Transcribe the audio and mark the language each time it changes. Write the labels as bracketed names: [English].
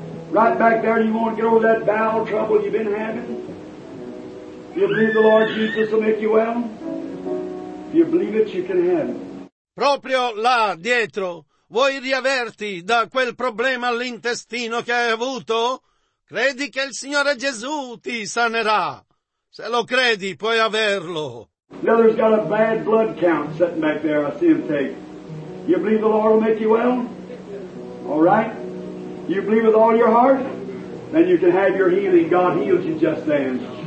[English] Right back there, you want to get over that bowel trouble you've been having? If you believe the Lord Jesus will make you well? If you believe it, you can have it. [Italian] Proprio là dietro, vuoi riaverti da quel problema all'intestino che hai avuto? Credi che il Signore Gesù ti sanerà. Se lo credi, puoi averlo. [English] Now there's got a bad blood count sitting back there, I see him take. You believe the Lord will make you well? All right. You believe with all your heart? Then you can have your healing. God healed you just then.